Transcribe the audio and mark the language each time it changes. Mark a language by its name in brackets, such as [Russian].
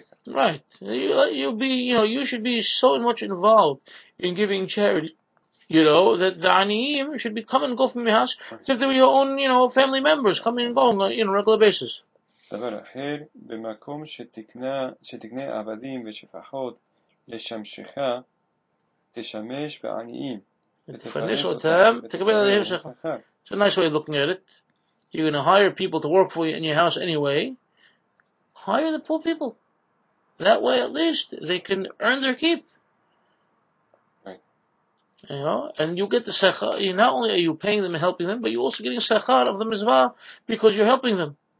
[English] Right. You'll be, you know, you should be so much involved in giving charity, you know, that the aniyim should be come and go from your house, as if they were your own, you know, family members coming and going on a regular basis. [Hebrew] דבר אחר, במקום שתקנה עבדים ושפחות לשמשך, תשמש בעניים. תפרנס אותם, תקבל עליהם שכר. [English] It's a nice way of looking at it. You're going to hire people to work for you in your house anyway. Hire the poor people. That way, at least, they can earn their keep. You know, and you get the sechar. Not only are you paying them and helping them, but you're also getting sechar of the mizvah because you're helping them.